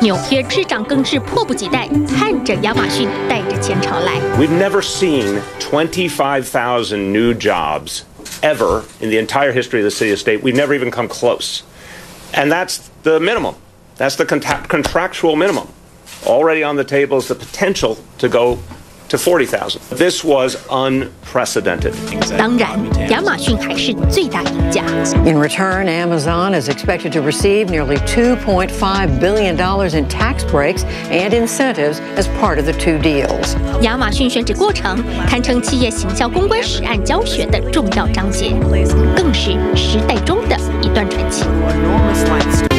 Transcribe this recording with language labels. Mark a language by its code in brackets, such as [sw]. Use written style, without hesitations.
[zh] 纽约市长更是迫不及待，看着亚马逊带着钱潮来。 [en] We've never seen 25,000 new jobs ever in the entire history of the city of state. We've never even come close. And that's the minimum. That's the contractual minimum. Already on the table is the potential to go to 40,000. This was unprecedented. [zh] 当然，亚马逊还是最大赢家。 [en] In return, Amazon is expected to receive nearly $2.5 billion in tax breaks and incentives as part of the two deals. [zh] 亚马逊选址过程堪称企业行销公关实案教学的重要章节，更是时代中的一段传奇。